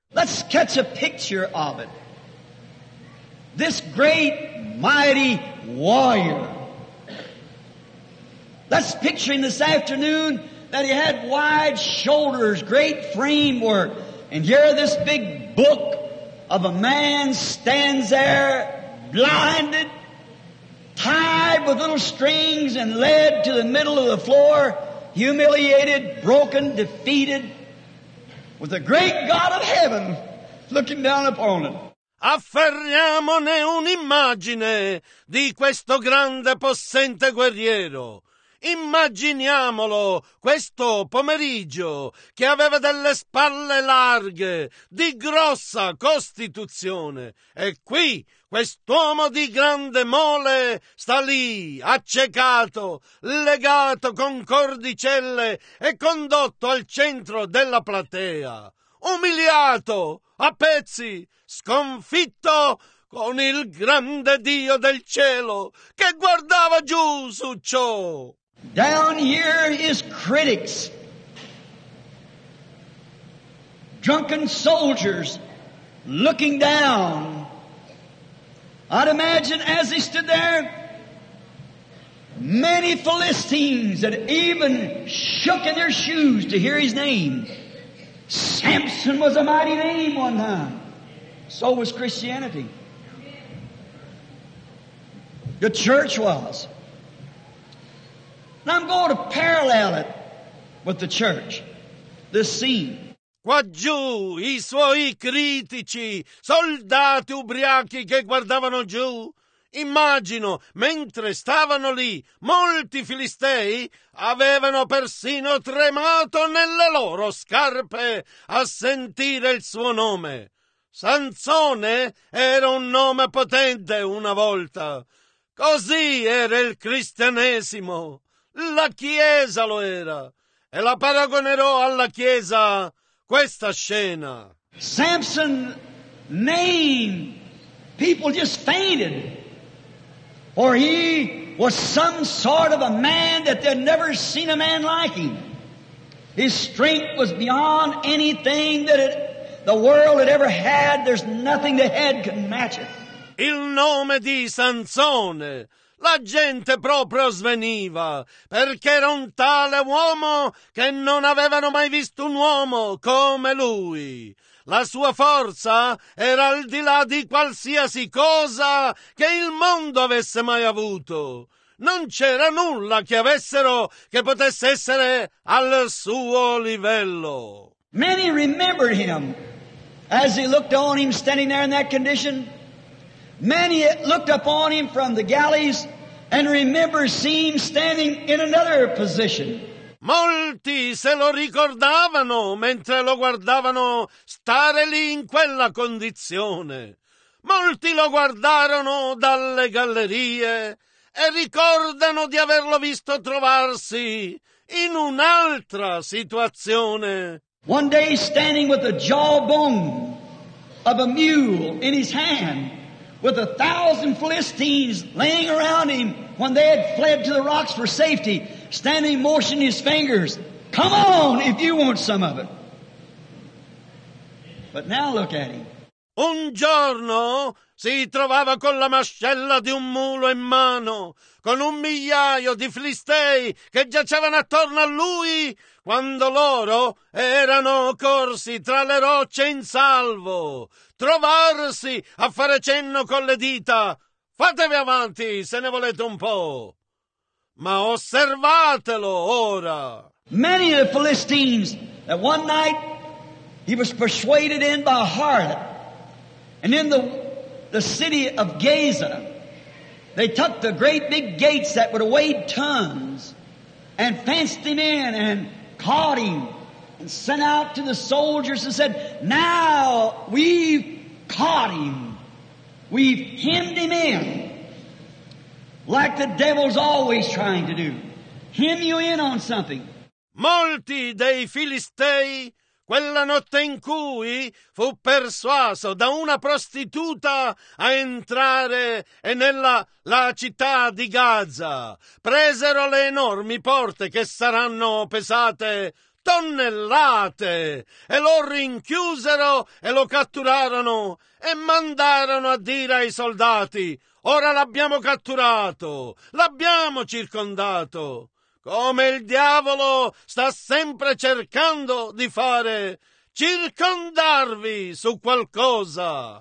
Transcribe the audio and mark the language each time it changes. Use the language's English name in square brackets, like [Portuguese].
[English] Let's catch a picture of it. This great, mighty warrior. Let's picture him this afternoon that he had wide shoulders, great framework. And here this big book of a man stands there, blinded, tied with little strings and led to the middle of the floor, humiliated, broken, defeated, with the great God of heaven looking down upon him. [Italian] Afferriamone un'immagine di questo grande possente guerriero. Immaginiamolo, questo pomeriggio, che aveva delle spalle larghe, di grossa costituzione. E qui, quest'uomo di grande mole, sta lì, accecato, legato con cordicelle e condotto al centro della platea. Umiliato, a pezzi, sconfitto, con il grande Dio del cielo che guardava giù su ciò. [English] Down here is critics, drunken soldiers looking down. I'd imagine as he stood there, many Philistines that even shook in their shoes to hear his name. Samson was a mighty name one time. So was Christianity. The church was. And I'm going to parallel it with the church, this scene. [Italian] Qua giù i suoi critici, soldati ubriachi che guardavano giù. Immagino, mentre stavano lì, molti filistei avevano persino tremato nelle loro scarpe a sentire il suo nome. Sansone era un nome potente una volta. Così era il cristianesimo. La Chiesa lo era. E la paragonerò alla Chiesa questa scena. [English] Samson, name, people just fainted. For he was some sort of a man that they'd never seen a man like him. His strength was beyond anything that the world had ever had. There's nothing the head can match it. [Italian] Il nome di Sansone. La gente proprio sveniva, perché era un tale uomo che non avevano mai visto un uomo come lui. La sua forza era al di là di qualsiasi cosa che il mondo avesse mai avuto. Non c'era nulla che avessero che potesse essere al suo livello. [English] Many remembered him as he looked on him standing there in that condition. Many looked upon him from the galleys and remember seeing him standing in another position. [Italian] Molti se lo ricordavano mentre lo guardavano stare lì in quella condizione. Molti lo guardarono dalle gallerie e ricordano di averlo visto trovarsi in un'altra situazione. [English] One day standing with the jawbone of a mule in his hand, with 1,000 Philistines laying around him when they had fled to the rocks for safety, standing motioning his fingers, come on if you want some of it. But now look at him. [Italian] Un giorno si trovava con la mascella di un mulo in mano, con un migliaio di Filistei che giacevano attorno a lui, quando loro erano corsi tra le rocce in salvo. Trovarsi a fare cenno con le dita, fatevi avanti se ne volete un po', ma osservatelo ora. [English] Many of the Philistines, that one night he was persuaded in by a harlot, and in the city of Gaza, they took the great big gates that would weigh tons, and fenced him in, and caught him, and sent out to the soldiers and said, now we've caught him. We've hemmed him in, like the devil's always trying to do. Hem you in on something. [Italian] Molti dei Filistei, quella notte in cui fu persuaso da una prostituta a entrare nella la città di Gaza, presero le enormi porte che saranno pesate tonnellate e lo rinchiusero e lo catturarono e mandarono a dire ai soldati: ora l'abbiamo catturato, l'abbiamo circondato, come il diavolo sta sempre cercando di fare, circondarvi su qualcosa.